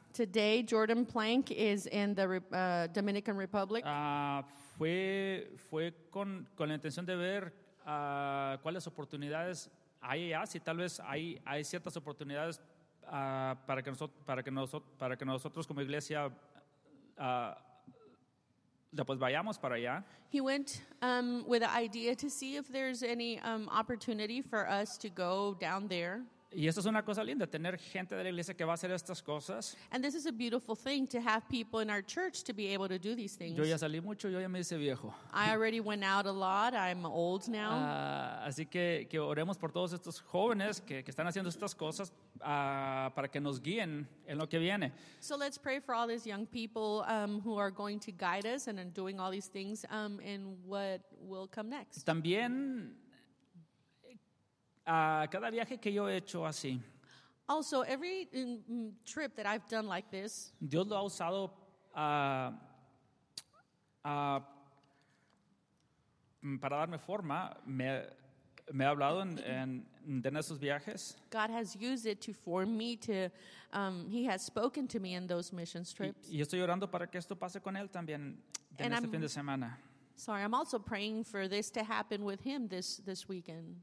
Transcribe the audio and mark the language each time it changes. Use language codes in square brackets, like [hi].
[en] Today, Jordan Plank is in the Dominican Republic. [es] Fue con la intención de ver cuáles oportunidades hay allá, si tal vez hay ciertas oportunidades para que nosotros como iglesia pues vayamos para allá. [en] He went with the idea to see if there's any opportunity for us to go down there. [es] Y esto es una cosa linda, tener gente de la iglesia que va a hacer estas cosas. [en] And this is a beautiful thing to have people in our church to be able to do these things. [es] Yo ya salí mucho, yo ya me hice viejo. [en] I already went out a lot, I'm old now. [es] Así que oremos por todos estos jóvenes que están haciendo estas cosas para que nos guíen en lo que viene. [en] So let's pray for all these young people who are going to guide us and are doing all these things in what will come next. [es] También cada viaje que yo he hecho así. [en] Also, every trip that I've done like this. [es] Dios lo ha usado para darme forma. Me ha hablado en esos viajes. [en] God has used it to form me to. He has spoken to me in those missions trips. [es] Y estoy orando para que esto pase con él también en este fin de semana. [en] Sorry, I'm also praying for this to happen with him this weekend.